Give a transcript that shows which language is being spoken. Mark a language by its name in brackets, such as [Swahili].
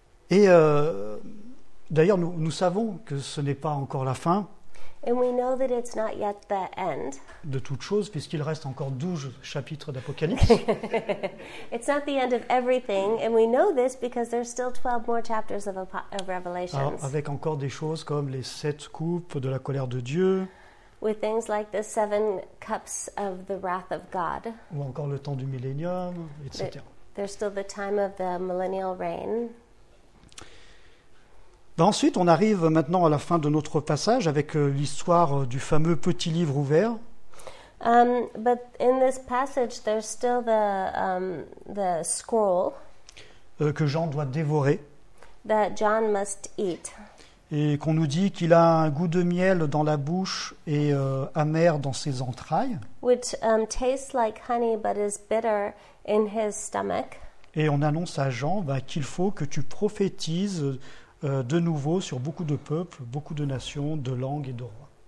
[French] Et d'ailleurs nous savons que ce n'est pas encore la fin. [English] And we know that it's not yet the end. [French] De toute chose, puisqu'il reste encore 12 chapitres d'Apocalypse. [English] It's not the end of everything, and we know this because there's still 12 more chapters of Revelation. [French] Alors, avec encore des choses comme les 7 coupes de la colère de Dieu. [English] With things like the 7 cups of the wrath of God. [French] Ou encore le temps du millénium, etc. [English] There's still the time of the millennial reign. [French] Ben ensuite, on arrive maintenant à la fin de notre passage avec l'histoire du fameux petit livre ouvert. [English] But in this passage, there's still the scroll [French] que Jean doit dévorer. [English] That John must eat. [French] Et qu'on nous dit qu'il a un goût de miel dans la bouche et amer dans ses entrailles. [English] Which tastes like honey but is bitter in his stomach. [French] Et on annonce à Jean ben, qu'il faut que tu prophétises de nouveau sur beaucoup de peuples, beaucoup de nations, de langues et de rois.